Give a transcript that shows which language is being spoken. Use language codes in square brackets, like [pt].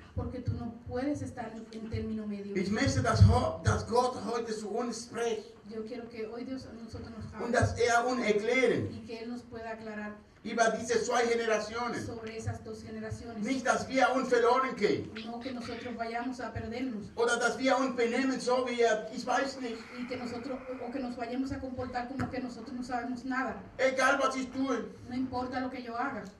[es] Porque tú no puedes estar en término medio. [de] Ich möchte, dass Gott heute zu uns spricht. [es] Yo quiero que hoy Dios nosotros nos hable. [de] Und dass uns erklären. [es] Y que él nos pueda aclarar. [de] Über diese zwei Generationen. [es] Sobre esas dos generaciones. [de] Nicht, dass wir uns verloren gehen. [es] No que nosotros vayamos a perdernos. [de] Oder dass wir uns benehmen, so wie ich weiß nicht. [es] Y que nosotros, o que nos vayamos a comportar como que nosotros no sabemos nada. [de] Egal, was ich tue. [es] No importa lo que yo haga.